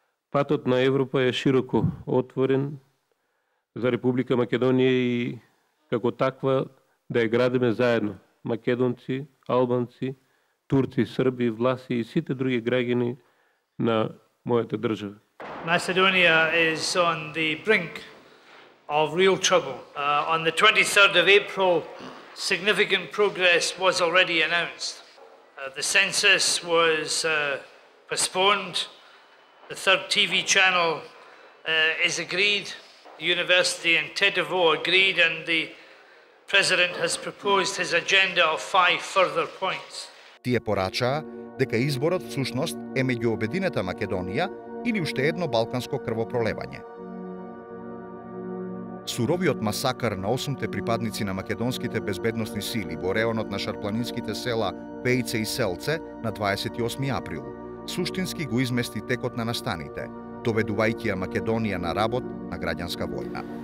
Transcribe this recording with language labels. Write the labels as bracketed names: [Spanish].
[Macedonian] Патот на Европа е широко отворен за Република Македонија и како таква да ја градиме заедно македонци, албанци, турци, срби, власи и сите други граѓани на мојата држава. [English] Macedonia is on the brink of real trouble. On the 23rd of April, significant progress was already announced. The census was postponed. The third TV channel is agreed. The university in Tetovo agreed, and the president has proposed his agenda of 5 further points. [Macedonian] Тие порачаа дека изборот всушност е меѓу Обединета Македонија или уште едно балканско крвопролевање. Суровиот масакар на 8-те припадници на македонските безбедносни сили во реонот на шарпланинските села Пејце и Селце на 28 април суштински го измести текот на настаните, доведувајќи ја Македонија на работ на граѓанска војна.